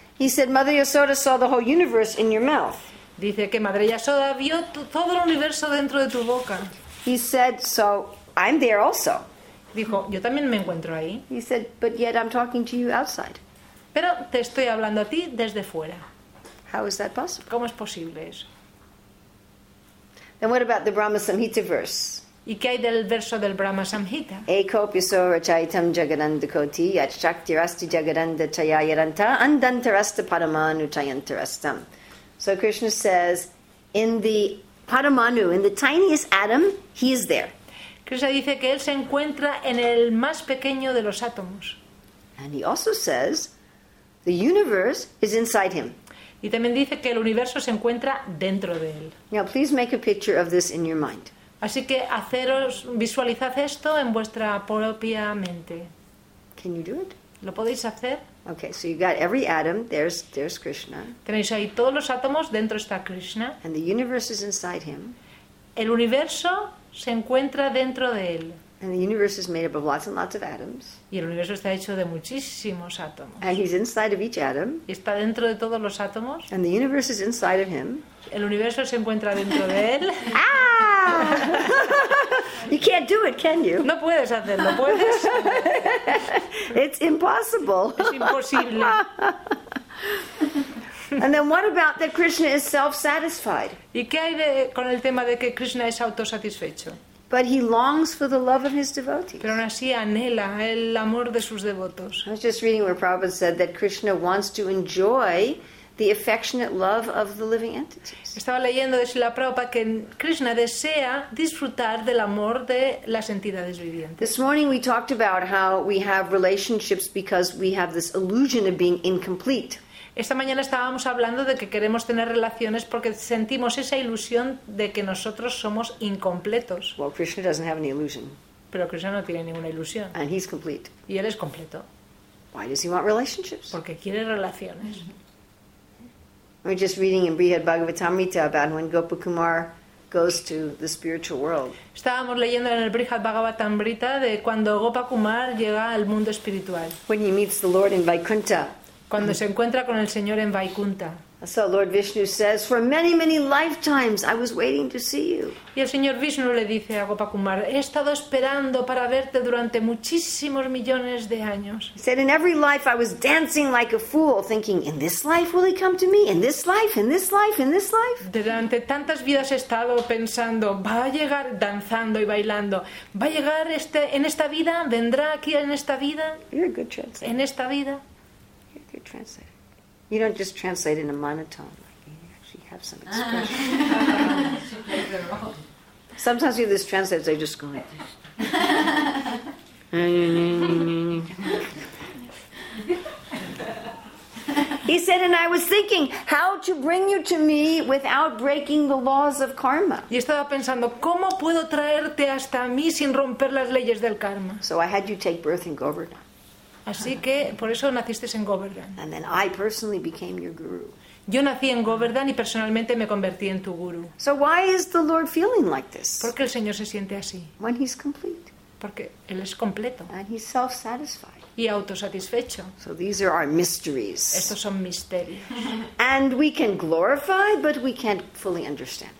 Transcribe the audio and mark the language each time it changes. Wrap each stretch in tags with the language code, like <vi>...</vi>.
<en>He said, Mother Yasoda saw the whole universe in your mouth.</en> <es>Dice que Madre Yasoda vio todo el universo dentro de tu boca.</es> <en>He said, so I'm there also.</en> <es>Dijo, yo también me encuentro ahí.</es> <en>He said, but yet I'm talking to you outside.</en> <es>Pero te estoy hablando a ti desde fuera.</es> <en>How is that possible?</en> <es>¿Cómo es posible eso?</es> <en>Then what about the Brahma Samhita verse?</en> <es>¿Y qué hay del verso del Brahma Samhita?</es> <sa>Ekopyaso rachayitam jagadandakoti yachchaktirasti jagadandachayayaranta andantarasta paramanutayantarastam.</sa> <en>So Krishna says, in the paramanu, in the tiniest atom, he is there.</en> <es>Krishna dice que él se encuentra en el más pequeño de los átomos.</es> <en>And he also says the universe is inside him.</en> <es>Y también dice que el universo se encuentra dentro de él.</es> <en>Now please make a picture of this in your mind.</en> <es>Así que haceros, visualizad esto en vuestra propia mente.</es> <en>Can you do it?</en> <es>¿Lo podéis hacer?</es> <en>Okay, so you got every atom, there's Krishna.</en> <es>Tenéis ahí todos los átomos, dentro está Krishna.</es> <en>And the universe is inside him.</en> <es>El universo se encuentra dentro de él.</es> <en>And the universe is made up of lots and lots of atoms.</en> <es>Y el universo está hecho de muchísimos átomos.</es> <en>And he's inside of each atom.</en> <es>Y está dentro de todos los átomos.</es> <en>And the universe is inside of him.</en> <es>El universo se encuentra dentro de él.</es> <en>Ah! You can't do it, can you?</en> <es>No puedes hacerlo, ¿puedes?</es> <en>It's impossible.</en> <es>Es imposible.</es> <en>And then what about that Krishna is self-satisfied?</en> <es>¿Y qué hay de, con el tema de que Krishna es autosatisfecho?</es> <en>But he longs for the love of his devotees.</en> <es>Pero aún así anhela el amor de sus devotos.</es> <en>I was just reading where Prabhupada said that Krishna wants to enjoy the affectionate love of the living entities.</en> <es>Estaba leyendo de Srila Prabhupada que Krishna desea disfrutar del amor de las entidades vivientes.</es> <en>This morning we talked about how we have relationships because we have this illusion of being incomplete.</en> <es>Esta mañana estábamos hablando de que queremos tener relaciones porque sentimos esa ilusión de que nosotros somos incompletos.</es> <en>Well, Krishna doesn't have any illusion.</en> <es>Pero Krishna no tiene ninguna ilusión.</es> <en>And he's complete.</en> <es>Y él es completo.</es> <en>Why does he want relationships?</en> <es>Porque quiere relaciones.</es> <en>We're just reading in Brihad Bhagavatamrita about when Gopakumar goes to the spiritual world.</en> <es>Estábamos leyendo en el Brihad Bhagavatamrita de cuando Gopakumar llega al mundo espiritual.</es> <en>When he meets the Lord in Vaikuntha.</en> <es>Cuando se encuentra con el Señor en Vaikuntha.</es> <en>So Lord Vishnu says, for many, many lifetimes I was waiting to see you.</en> <es>Y el Señor Vishnu le dice a Gopakumar, he estado esperando para verte durante muchísimos millones de años.</es> <en>He said, in every life I was dancing like a fool, thinking, in this life will he come to me? In this life, in this life, in this life?</en> <es>Durante tantas vidas he estado pensando, va a llegar danzando y bailando. ¿Va a llegar este, en esta vida? ¿Vendrá aquí en esta vida?</es> <en>You're a good translator.</en> <es>En esta vida.</es> <en>You're a good translator. You don't just translate in a monotone. Like, you actually have some expression. Sometimes you have this translator, they just go like this. He said, and I was thinking, how to bring you to me without breaking the laws of karma.</en> <es>Y estaba pensando, ¿cómo puedo traerte hasta mí sin romper las leyes del karma?</es> <en>So I had you take birth in Govardhan.</en> <es>Así que por eso naciste en Govardhan.</es> <en>And then I personally became your guru.</en> <es>Yo nací en Govardhan y personalmente me convertí en tu guru.</es> <en>So why is the Lord feeling like this?</en> <es>¿Por qué el Señor se siente así?</es> <en>When he's complete.</en> <es>Porque él es completo.</es> <en>And he's self-satisfied.</en> <es>Y autosatisfecho.</es> <en>So these are our mysteries.</en> <es>Estos son misterios.</es> <en>And we can glorify, but we can't fully understand.</en>